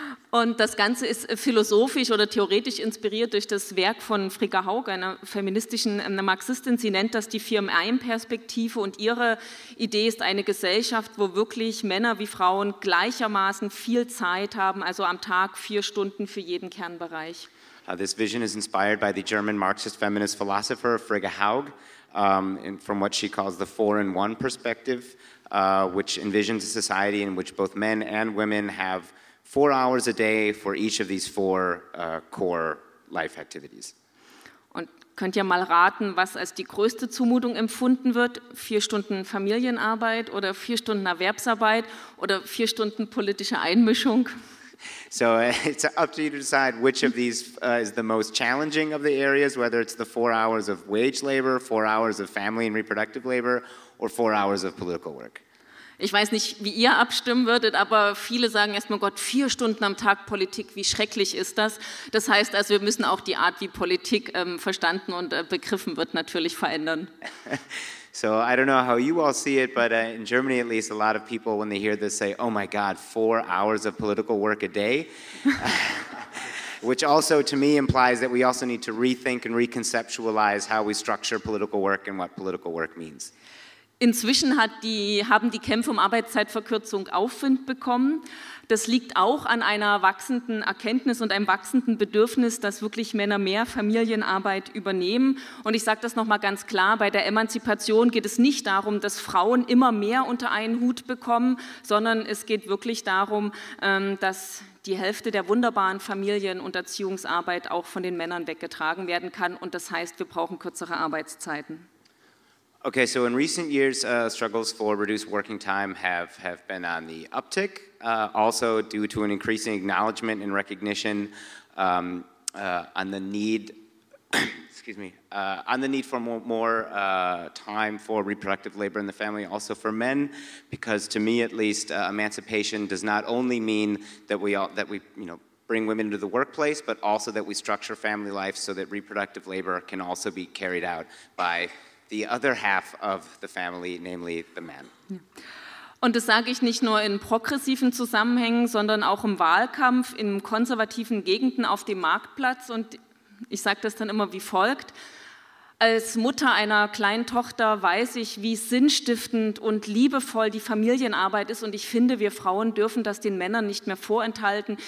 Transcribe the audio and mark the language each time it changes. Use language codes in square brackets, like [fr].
[de] Und das Ganze ist philosophisch oder theoretisch inspiriert durch das Werk von Frigga Haug, einer feministischen Marxistin. Sie nennt das die 4-im-1-Perspektive und ihre Idee ist eine Gesellschaft, wo wirklich Männer wie Frauen gleichermaßen viel Zeit haben, also am Tag 4 Stunden für jeden Kernbereich. [en] This vision is inspired by the German Marxist feminist philosopher Frigga Haug, from what she calls the 4-in-1 perspective, which envisions a society in which both men and women have 4 hours a day for each of these four core life activities. [de] Und könnt ihr mal raten, was als die größte Zumutung empfunden wird? 4 Stunden Familienarbeit oder 4 Stunden Erwerbsarbeit oder 4 Stunden politische Einmischung? [en] So it's up to you to decide which of these is the most challenging of the areas, whether it's the 4 hours of wage labor, 4 hours of family and reproductive labor, or 4 hours of political work. [de] Ich weiß nicht, wie ihr abstimmen würdet, aber viele sagen erstmal, Gott, 4 Stunden am Tag Politik, wie schrecklich ist das? Das heißt also, wir müssen auch die Art, wie Politik verstanden und begriffen wird, natürlich verändern. [en] So I don't know how you all see it, but in Germany at least, a lot of people, when they hear this, say, oh my God, 4 hours of political work a day. Which also to me implies that we also need to rethink and reconceptualize how we structure political work and what political work means. [de] Inzwischen haben die Kämpfe um Arbeitszeitverkürzung Aufwind bekommen. Das liegt auch an einer wachsenden Erkenntnis und einem wachsenden Bedürfnis, dass wirklich Männer mehr Familienarbeit übernehmen. Und ich sage das nochmal ganz klar, bei der Emanzipation geht es nicht darum, dass Frauen immer mehr unter einen Hut bekommen, sondern es geht wirklich darum, dass die Hälfte der wunderbaren Familien- und Erziehungsarbeit auch von den Männern weggetragen werden kann. Und das heißt, wir brauchen kürzere Arbeitszeiten. [en] Okay, so in recent years, struggles for reduced working time have been on the uptick, also due to an increasing acknowledgement and recognition on the need for more time for reproductive labor in the family, also for men, because to me at least, emancipation does not only mean that we bring women into the workplace, but also that we structure family life so that reproductive labor can also be carried out by the other half of the family, namely the man. [de] Und das sage ich nicht nur in progressiven Zusammenhängen, sondern auch im Wahlkampf, in konservativen Gegenden auf dem Marktplatz. Und ich sage das dann immer wie folgt. Als Mutter einer kleinen Tochter weiß ich, wie sinnstiftend und liebevoll die Familienarbeit ist. Und ich finde, wir Frauen dürfen das den Männern nicht mehr vorenthalten.